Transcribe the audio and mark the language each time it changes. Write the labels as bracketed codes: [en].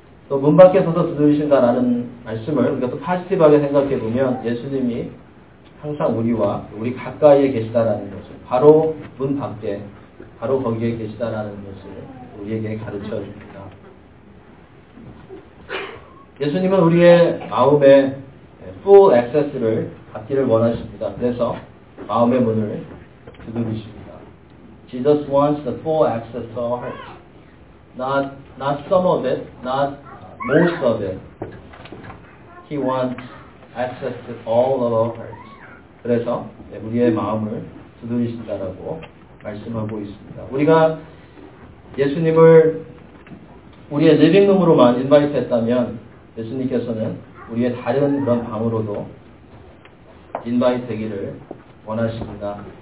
[ko] 또 문 밖에 서서 두드리신다라는 말씀을 우리가 또 파지티브하게 생각해 보면 예수님이 항상 우리와 우리 가까이에 계시다라는 것을 바로 문 밖에 바로 거기에 계시다라는 것을 우리에게 가르쳐 줍니다. 예수님은 우리의 마음에 [en] full access [ko] 를 받기를 원하십니다. 그래서 마음의 문을 두드리십니다. [en] Jesus wants the full access to our hearts. Not some of it, not most of it. He wants access to all of our hearts. [ko] 그래서 우리의 마음을 두드리신다라고 말씀하고 있습니다. 우리가 예수님을 우리의 [en] living room [ko] 으로만 [en] invite [ko] 했다면 예수님께서는 우리의 다른 그런 방으로도 인바이 되기를 원하십니다.